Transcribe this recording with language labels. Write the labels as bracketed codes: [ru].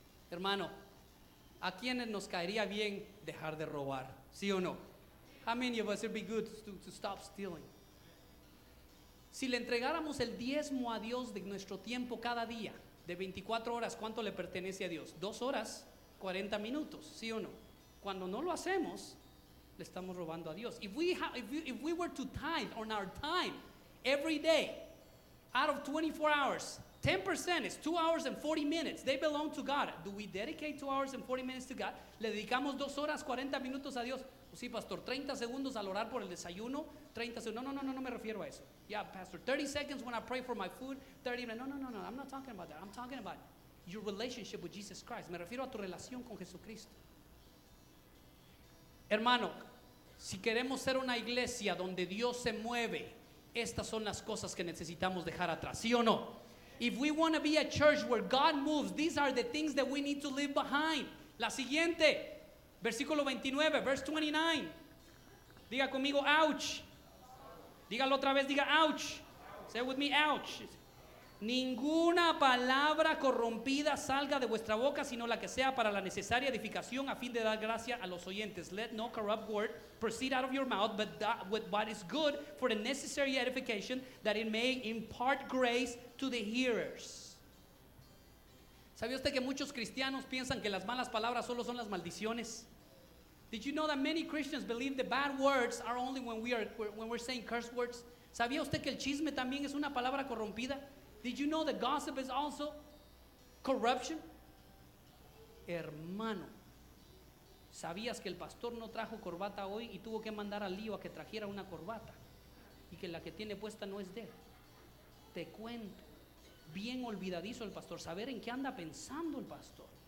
[es] Hermano, ¿a quiénes nos caería bien dejar de robar? ¿Sí o no? [en] How many of us would be good to stop stealing? [es] Si le entregáramos el diezmo a Dios de nuestro tiempo cada día, de 24 horas, ¿cuánto le pertenece a Dios? 2 horas, 40 minutos, ¿sí o no? Cuando no lo hacemos, le estamos robando a Dios. [en] If we were to tithe on our time every day, out of 24 hours, 10% is 2 hours and 40 minutes. They belong to God. Do we dedicate 2 hours and 40 minutes to God? [es] ¿Le dedicamos 2 horas 40 minutos a Dios? Pues sí, pastor, 30 segundos al orar por el desayuno, 30 segundos. No, me refiero a eso. [en] Yeah, pastor, 30 seconds when I pray for my food, 30 minutes. No, I'm not talking about that. I'm talking about your relationship with Jesus Christ. [es] Me refiero a tu relación con Jesucristo. Hermano, si queremos ser una iglesia donde Dios se mueve, estas son las cosas que necesitamos dejar atrás, ¿sí o no? [en] If we want to be a church where God moves, these are the things that we need to leave behind. [es] La siguiente, versículo 29, [en] verse 29. [es] Diga conmigo, ouch. Dígalo otra vez, diga ouch. [en] Say with me, ouch. [es] Ninguna palabra corrompida salga de vuestra boca, sino la que sea para la necesaria edificación a fin de dar gracia a los oyentes. [en] Let no corrupt word proceed out of your mouth, but that with what is good for the necessary edification, that it may impart grace to the hearers. [es] ¿Sabía usted que muchos cristianos piensan que las malas palabras solo son las maldiciones? [en] Did you know that many Christians believe the bad words are only when we're saying curse words? [es] ¿Sabía usted que el chisme también es una palabra corrompida? [en] Did you know that gossip is also corruption? [es] Hermano, ¿sabías que el pastor no trajo corbata hoy y tuvo que mandar al lío a que trajera una corbata? Y que la que tiene puesta no es de él. Te cuento, bien olvidadizo el pastor, saber en qué anda pensando el pastor.